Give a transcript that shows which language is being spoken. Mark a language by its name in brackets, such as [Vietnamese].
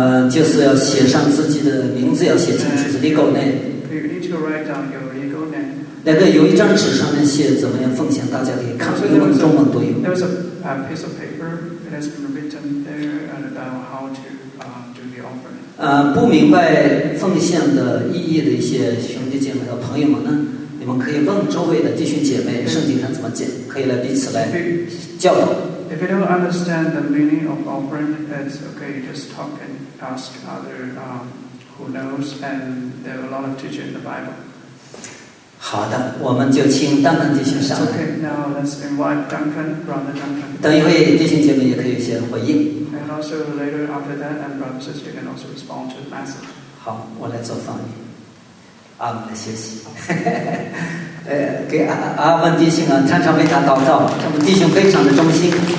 [Chinese] 就是要写上自己的名字，要写清楚是 legal name. [English] You need to write down your legal name. [Chinese] 那个有一张纸上面写怎么样奉献，大家可以看，英文、中文都有。 [English] There's a piece of paper that has been written there and about how to do the offering. [Chinese] 不明白奉献的意义的一些兄弟姐妹和朋友们呢，你们可以问周围的弟兄姐妹，圣经上怎么讲，可以来彼此来教导。 [English] If you don't understand the meaning of offering, it's okay. Just talk and ask other who knows, and there are a lot of teaching in the Bible. [Chinese] 好的，我们就请丹丹弟兄上来。 [English] Okay, now let's invite Duncan, Brother Duncan. [Chinese] 等一会儿弟兄姐妹也可以先回应。 [English] And also later after that, and brother sister can also respond to the message. [Chinese] 好，我来做翻译。阿文来休息。给阿文弟兄啊，常常为他祷告，他们弟兄非常的忠心。